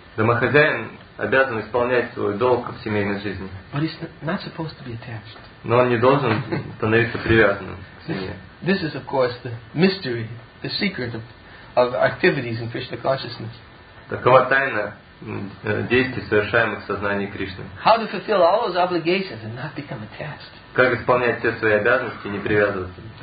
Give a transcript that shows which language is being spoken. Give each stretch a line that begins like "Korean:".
Russian: Домохозяин обязан исполнять свой долг в семейной жизни.
English: But he's not supposed to be attached.
Russian: Но он не должен становиться привязанным к семье.
English: This is, of course, the mystery, the secret of activities in Krishna consciousness.
Russian: Такова тайна действий, совершаемых в сознании Кришны.
English: How to fulfill all those obligations and not become attached.
Russian: Как исполнять все свои обязанности и не привязываться к